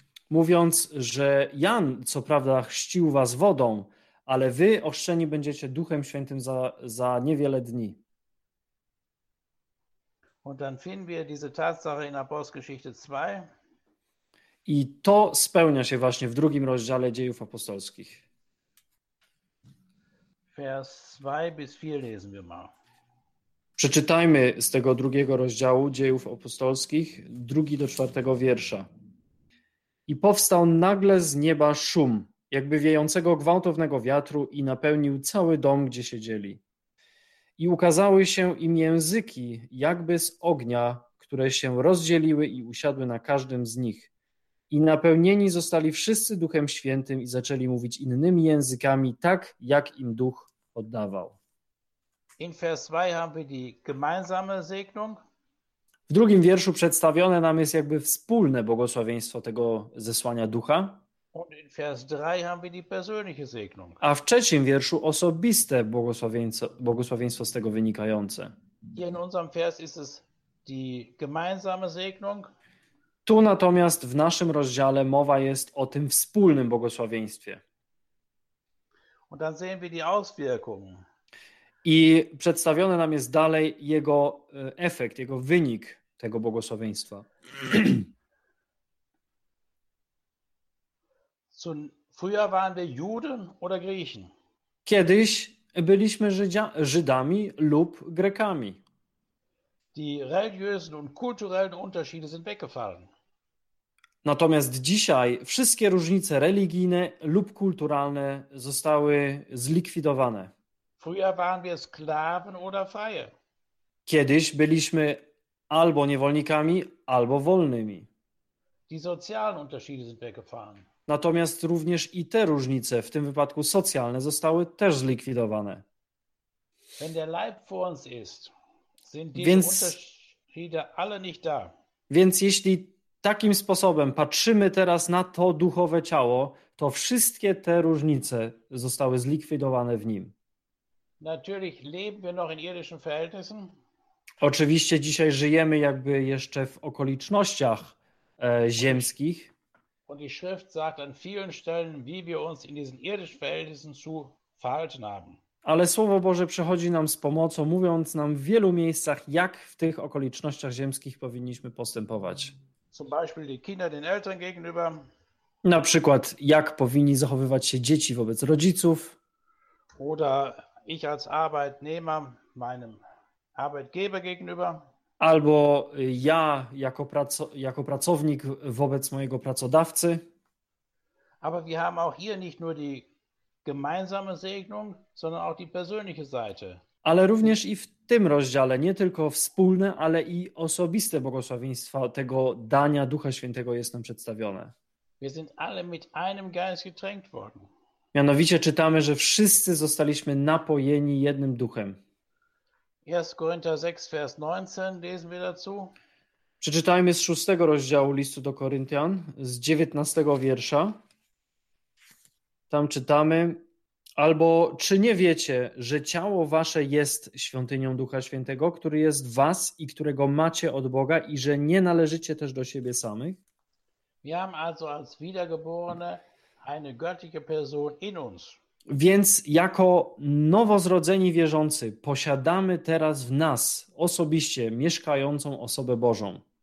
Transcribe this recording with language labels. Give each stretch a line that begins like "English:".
Polish: Mówiąc, że Jan co prawda chrzcił was wodą, ale wy ochrzczeni będziecie Duchem Świętym za niewiele dni.
German: Und dann finden wir diese Tatsache in Apostelgeschichte 2.
Polish: I to spełnia się właśnie w drugim rozdziale Dziejów Apostolskich.
German: Vers 2 bis 4 lesen wir mal.
Polish: Przeczytajmy z tego drugiego rozdziału Dziejów Apostolskich, 2 do 4 wiersza. I powstał nagle z nieba szum, jakby wiejącego gwałtownego wiatru i napełnił cały dom, gdzie siedzieli. I ukazały się im języki, jakby z ognia, które się rozdzieliły i usiadły na każdym z nich. I napełnieni zostali wszyscy Duchem Świętym i zaczęli mówić innymi językami, tak jak im Duch oddawał.
German: In Vers 2 haben wir die gemeinsame Segnung.
Polish: W drugim wierszu przedstawione nam jest jakby wspólne błogosławieństwo tego zesłania Ducha.
German: Und in Vers 3 haben wir die persönliche Segnung.
Polish: A w trzecim wierszu osobiste błogosławieństwo z tego wynikające.
German: Hier in unserem Vers ist es die gemeinsame Segnung.
Polish: Tu natomiast w naszym rozdziale mowa jest o tym wspólnym błogosławieństwie.
German: Und dann sehen wir die Auswirkungen.
Polish: I przedstawiony nam jest dalej jego efekt, jego wynik tego błogosławieństwa.
German: Früher waren wir Juden oder Griechen.
Polish: Kiedyś byliśmy Żydami lub Grekami.
German: Die religiösen und kulturellen Unterschiede sind weggefallen.
Polish: Natomiast dzisiaj wszystkie różnice religijne lub kulturalne zostały zlikwidowane.
German: Früher waren wir Sklaven oder freie.
Polish: Kiedyś byliśmy albo niewolnikami, albo wolnymi.
German: Die sozialen Unterschiede sind weggefallen.
Polish: Natomiast również i te różnice, w tym wypadku socjalne, zostały też zlikwidowane.
German: Wenn der Leib vor uns ist, sind diese Unterschiede alle nicht da.
Polish: Więc jeśli takim sposobem patrzymy teraz na to duchowe ciało, to wszystkie te różnice zostały zlikwidowane w nim.
German: Natürlich leben wir noch in irdischen Verhältnissen.
Polish: Oczywiście dzisiaj żyjemy jakby jeszcze w okolicznościach ziemskich.
German: Und die Schrift sagt an vielen Stellen, wie wir uns in diesen irdischen Verhältnissen zu verhalten haben.
Polish: Ale Słowo Boże przychodzi nam z pomocą, mówiąc nam w wielu miejscach, jak w tych okolicznościach ziemskich powinniśmy postępować.
German: Zum Beispiel die Kinder den Eltern gegenüber.
Polish: Na przykład, jak powinni zachowywać się dzieci wobec rodziców.
German: Oder ich als Arbeitnehmer meinem Arbeitgeber gegenüber.
Polish: Albo ja jako pracownik wobec mojego pracodawcy.
German: Aber wir haben auch hier nicht nur die gemeinsame Segnung, sondern auch die persönliche Seite.
Polish: Ale również i w tym rozdziale nie tylko wspólne, ale i osobiste błogosławieństwa tego dania Ducha Świętego jest nam przedstawione.
German: Wir sind alle mit einem Geist getränkt worden.
Polish: Mianowicie czytamy, że wszyscy zostaliśmy napojeni jednym duchem.
German: 1 Korinther 6, Vers 19 lesen wir dazu.
Polish: Przeczytajmy z 6 rozdziału listu do Koryntian, z 19 wiersza. Tam czytamy: albo czy nie wiecie, że ciało wasze jest świątynią Ducha Świętego, który jest w was i którego macie od Boga i że nie należycie też do siebie samych?
German: Wir haben also als Wiedergeborene eine göttliche Person in uns.
Polish: Więc jako nowozrodzeni wierzący posiadamy teraz w nas osobiście mieszkającą osobę Bożą.